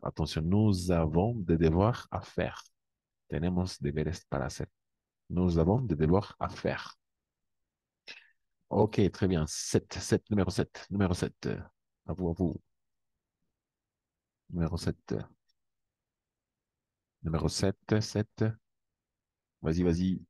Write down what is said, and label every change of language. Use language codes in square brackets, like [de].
[fr] Attention, nous avons des devoirs à faire. [es] Tenemos deberes para hacer. [fr] Nous avons des devoirs à faire. Ok, très bien. 7, numéro 7, numéro 7. À vous, à vous. Numéro 7. Numéro 7, 7. Vas-y, vas-y.